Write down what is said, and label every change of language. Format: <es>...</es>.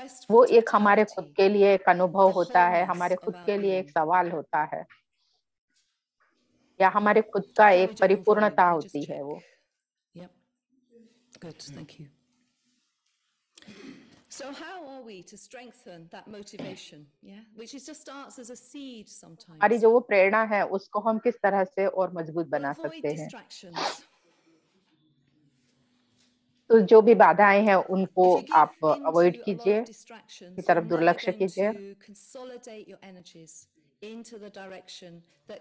<hi>वो एक हमारे खुद के लिए एक अनुभव होता है, हमारे खुद के लिए एक सवाल होता है या हमारे खुद का एक परिपूर्णता होती है वो.</hi> <en>Good, thank you. So how are we to strengthen that motivation, yeah, which is just starts as a seed sometimes.</en> <hi>अरे जो वो प्रेरणा है उसको हम किस तरह से और मजबूत बना सकते हैं? तो जो भी बाधाएं हैं उनको आप अवॉइड कीजिए, की तरफ दुर्लक्ष कीजिए.</hi>